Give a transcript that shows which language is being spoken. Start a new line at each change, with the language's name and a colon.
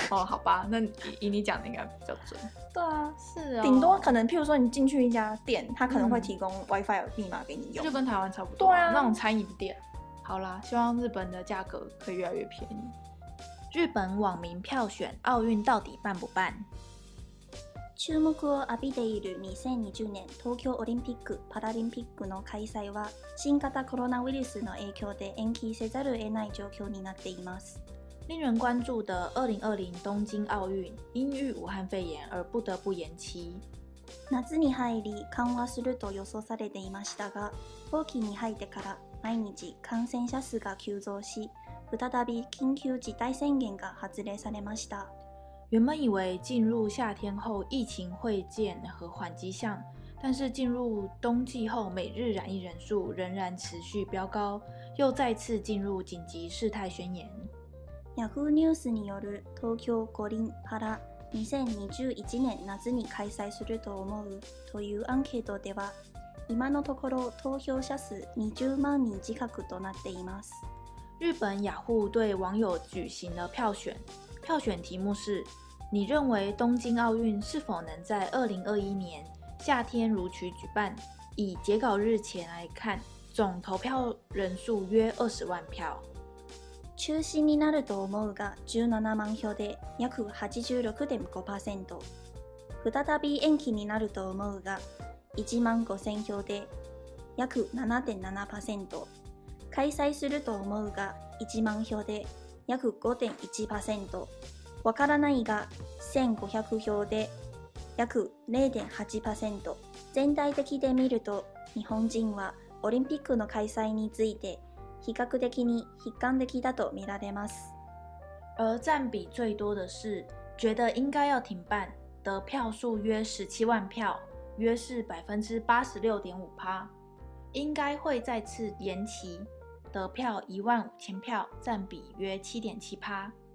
Chinese: 哦，好吧，那以你讲的应该比较准。对啊，是啊、哦。顶多可能，譬如说你进去一家店，他可能会提供 WiFi 密码给你用，就跟台湾差不多、啊。对啊，那种餐饮店。好啦，希望日本的价格可以越来越便宜。日本网民票选奥运到底办不办？
Japanese: 注目を浴びている2020年東京オリンピック・パラリンピックの開催は新型コロナウイルスの影響で延期せざるを得ない状況になっています。
Chinese: 令人关注的2020東京奥运因遇武汉肺炎而不得不延期。
Japanese: 夏に入り緩和すると予想されていましたが、冬季に入ってから毎日感染者数が急増し、再び緊急事態宣言が発令されました。
Chinese: 原本以为进入夏天后疫情会见和缓迹象，但是进入冬季后每日染疫人数仍然持续飙高，又再次进入紧急事态宣言。
Japanese: Yahoo News による東京五輪パラ2021年夏に開催すると思うというアンケートでは、今のところ投票者数20万人近くとなっています。
Chinese: 日本雅虎对网友举行了票选，票选题目是：你认为东京奥运是否能在2021年夏天如期举办？以截稿日前来看，总投票人数约20万票。
Japanese: 中止になると思うが17万票で約 86.5%、 再び延期になると思うが1万5000票で約 7.7%、 開催すると思うが1万票で約 5.1%、 わからないが1500票で約 0.8%。全体的で見ると日本人はオリンピックの開催について比較的に悲観的だと見られます。
Chinese: 而占比最多的是觉得应该要停办的票数约17万票，约是 86.5%。应该会再次延期的票15000票，占比约 7.7%。